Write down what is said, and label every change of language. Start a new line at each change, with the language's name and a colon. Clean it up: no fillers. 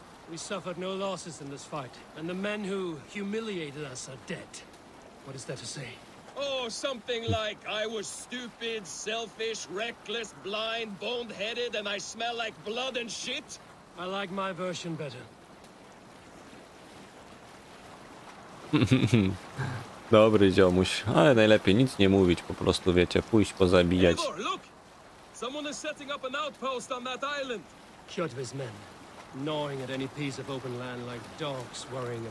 English: We suffered no losses in this fight, and the men who humiliated us are dead. What is there to say? Oh, something like I was stupid, selfish, reckless, blind, boned-headed, and I smell like blood and shit. I like my version better.
Polish: Dobry ziomuś, ale najlepiej nic nie mówić, po prostu wiecie, pójść pozabijać.
English: Eivor, look! Someone is setting up an outpost on that island. Kjotve's men, gnawing at any piece of open land like dogs worrying.